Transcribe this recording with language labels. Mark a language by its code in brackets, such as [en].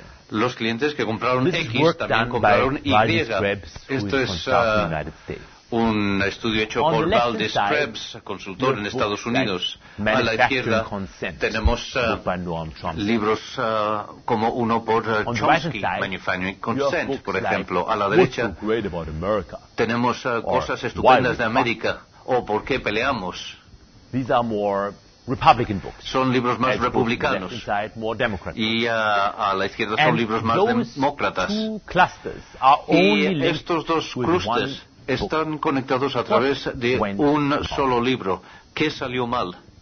[es] Los clientes que compraron X también compraron Y. Esto es un estudio hecho por Valdis Krebs, consultor en Estados Unidos. A la izquierda tenemos libros como uno por Chomsky, Manufacturing Consent, por ejemplo. A la derecha tenemos cosas estupendas de América o Por qué peleamos. [en] These are more Republican books. [es] Son libros más republicanos. Y a la izquierda son libros más demócratas. Y estos dos clústeres están conectados a través de un solo libro. ¿Qué salió mal?